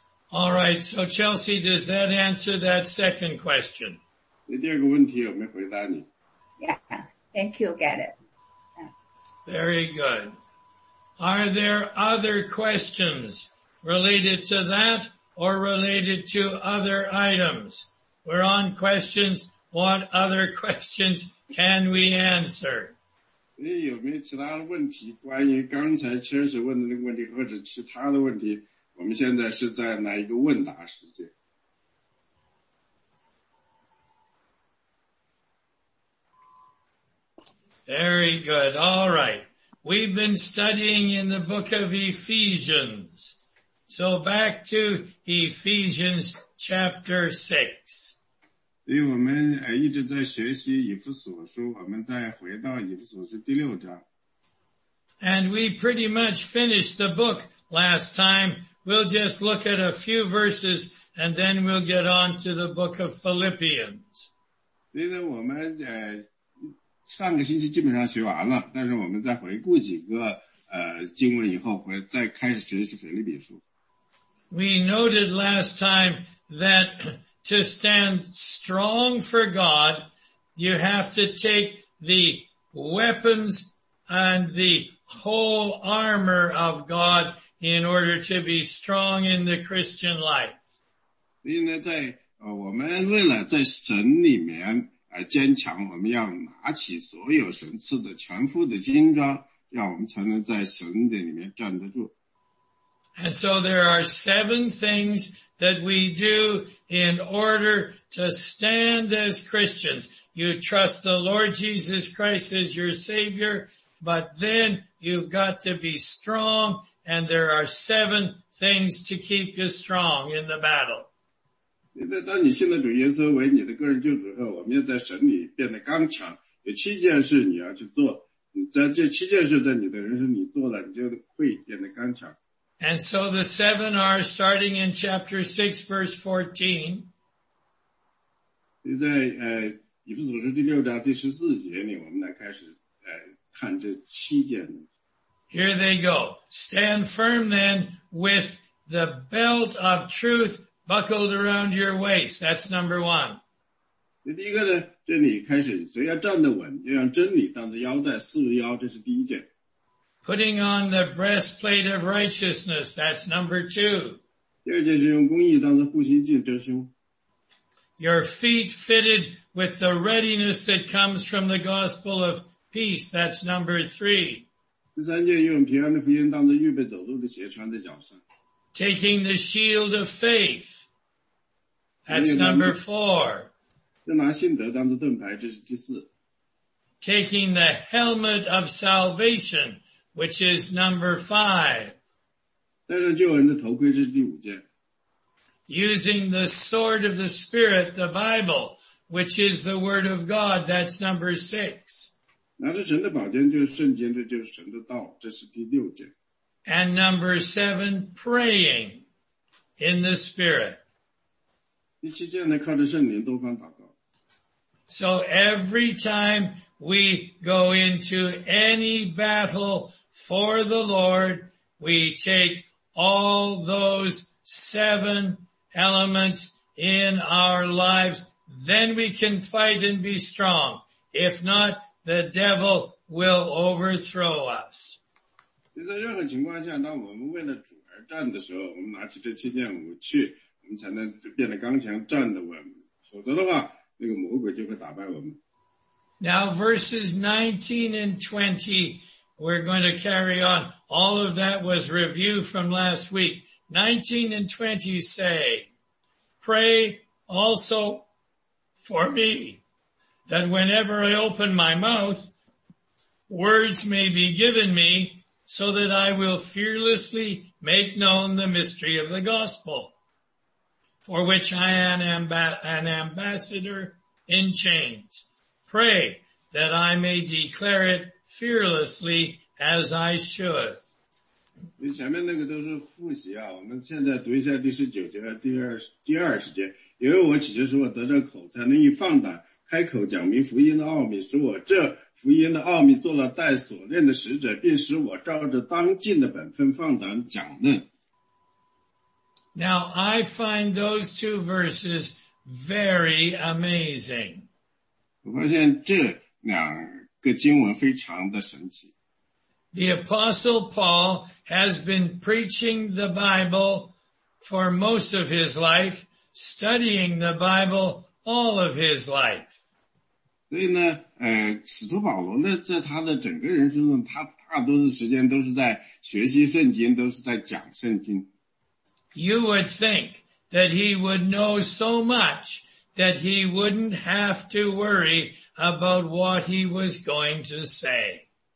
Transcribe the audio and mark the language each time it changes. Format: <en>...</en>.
<en>All right, so Chelsea, does that answer that second question?</en> <zh>你第二个问题有没有回答你？</zh> <en>Yeah, thank you, get it. Very good. Are there other questions related to that or related to other items? We're on questions. What other questions can we answer?</en> <zh>你有没有其他的问题？关于刚才Chelsea问的那个问题或者其他的问题？我们现在是在哪一个问答时间？</zh> <en>Very good. All right. We've been studying in the book of Ephesians. So back to Ephesians chapter 6.</en> <zh>所以我们一直在学习以弗所书，我们再回到以弗所书第六章。</zh> <en>And we pretty much finished the book last time. We'll just look at a few verses and then we'll get on to the book of Philippians.</en> <zh>所以我们上个星期基本上学完了，但是我们再回顾几个经文以后回再开始学习腓立比书。</zh> <en>We noted last time that to stand strong for God, you have to take the weapons and the whole armor of God in order to be strong in the Christian life.</en> <zh>所以呢，在我们为了在神里面坚强，我们要拿起所有神赐的全副的军装，让我们才能在神的里面站得住。</zh> <en>And so there are 7 things that we do in order to stand as Christians. You trust the Lord Jesus Christ as your Savior, but then you've got to be strong, and there are 7 things to keep you strong in the battle.</en> <zh>当你信了主耶稣为你的个人救主后，我们要在神里变得刚强，有七件事你要去做，在这七件事在你的人生里做了，你就会变得刚强。</zh> <en>And so the 7 are starting in chapter 6, verse 14.</en> <zh>在以弗所书第六章第十四节里，我们来开始看这七件。</zh> <en>Here they go. Stand firm then with the belt of truth buckled around your waist. That's number 1.</en> <zh>第一个呢，这里开始，所以要站得稳，要让真理当着腰带束腰，这是第一件。</zh> <en>Putting on the breastplate of righteousness, that's number 2.</en> <zh>第二件是用公义当作护心镜遮胸。</zh> <en>Your feet fitted with the readiness that comes from the gospel of peace, that's number 3.</en> <zh>第三件用平安的福音当作预备走路的鞋穿在脚上。</zh> <en>Taking the shield of faith, that's number 4.</en> <zh>拿信德当作盾牌，这是第四。</zh> <en>Taking the helmet of salvation, which is number 5.</en> <zh>戴上救恩的头盔，这是第五件。</zh> <en>Using the sword of the Spirit, the Bible, which is the Word of God, that's number 6.</en> <zh>拿着神的宝剑，就是圣经，这就是神的道，这是第六件。</zh> <en>And number 7, praying in the Spirit.</en> <zh>第七件呢，靠着圣灵多方祷告。</zh> <en>So every time we go into any battle for the Lord, we take all those 7 elements in our lives. Then we can fight and be strong. If not, the devil will overthrow us.</en> <zh>在任何情况下，当我们为了主而战的时候，我们拿起这七件武器，我们才能变得刚强，站得稳。否则的话，那个魔鬼就会打败我们。</zh> <en>Now verses 19 and 20, we're going to carry on. All of that was review from last week. 19 and 20 say, pray also for me, that whenever I open my mouth, words may be given me, so that I will fearlessly make known the mystery of the gospel, for which I am an ambassador in chains. Pray that I may declare it fearlessly as I should.</en> <zh>前面那个都是复习啊，我们现在读一下第十九节第二十节。因为我祈求使我得着口才，能以放胆开口讲明福音的奥秘，使我这福音的奥秘做了带锁链的使者，并使我照着当尽的本分放胆讲论。</zh> <en>Now I find those 2 verses very amazing.</en> <zh>我发现这两个经文非常的神奇。</zh> <en>The Apostle Paul has been preaching the Bible for most of his life, studying the Bible all of his life.</en> <zh>所以呢，使徒保罗呢，在他的整个人生中，他大多数时间都是在学习圣经，都是在讲圣经。</zh> <en>You would think that he would know so much that he wouldn't have to worry about what he was going to say.</en>